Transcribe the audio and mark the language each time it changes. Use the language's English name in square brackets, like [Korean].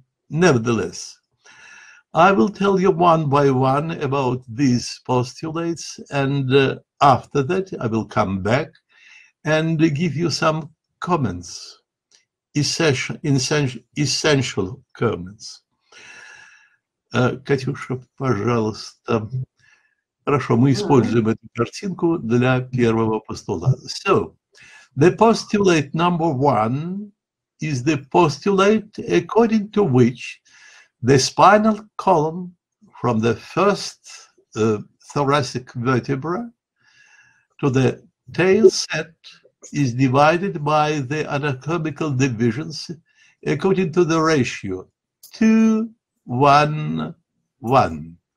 [English] Nevertheless, I will tell you one by one about these postulates, and after that I will come back and give you some comments, essential comments. [Russian] Катюша, пожалуйста. Хорошо, мы используем эту картинку для первого постулата. [English] So, the postulate number one is the postulate according to which the spinal column from the first thoracic vertebra to the tail set is divided by the anatomical divisions according to the ratio 2-1-1.